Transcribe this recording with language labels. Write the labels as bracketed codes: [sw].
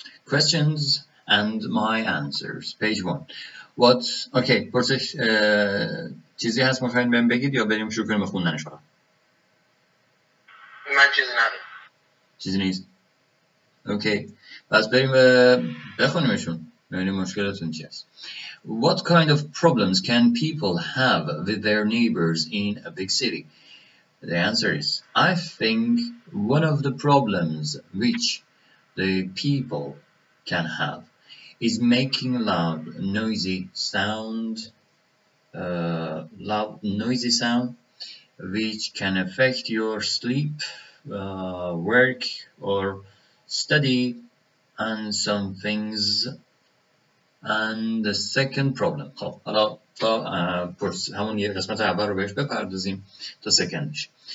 [en] Questions and my answers, page 1. What, okay, [fa] پرسش، چیزی هست مخواهید بهم بگید یا بریم شروع کنیم به خوندنش؟ من چیزی ندارم. چیزی نیست؟ اوکی، پس بریم بخونیمشون ببینیم مشکلتون چی هست. [en] What kind of problems can people have with their neighbors in a big city? The answer is, I think one of the problems which the people can have is making loud noisy sound, loud noisy sound which can affect your sleep, work or study, and some things. And the second problem. [fa] خب حالا تا پرس همون یه قسمت اول رو بهش بپردازیم تا سکندش.